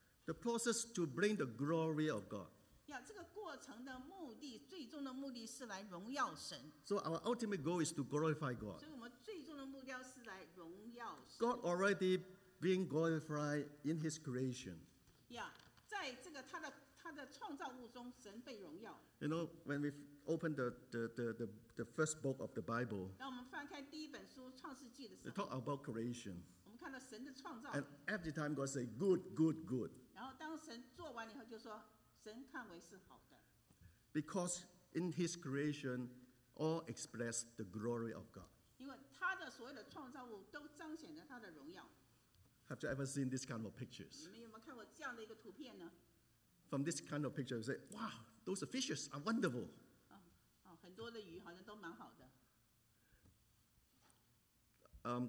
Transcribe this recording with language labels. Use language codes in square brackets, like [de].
[en] The process to bring the glory of God. [zh] Yeah, 这个过程的目的，最终的目的是来荣耀神。 [en] So our ultimate goal is to glorify God. [zh] 所以我们最终的目标是来荣耀神。 [en] God already being glorified in His creation. [zh] Yeah, 在这个他的创造物中，神被荣耀。 [en] You know, when we open the first book of the Bible. [zh] 当我们翻开第一本书《创世纪》的时候 [en] ，They talk about creation. [zh] 看到神的创造 [en] and every time God say good, good, good. [zh] 然后当神做完以后就说神看为是好的 [en] Because in his creation all express the glory of God. [zh] 因为他的所有的创造物都彰显着他的荣耀 [en] Have you ever seen this kind of pictures? [zh] 你们有没有看过这样的一个图片呢 [en] From this kind of picture you say, wow, Those fishes are wonderful. [zh] 很多的鱼好像都蛮好的。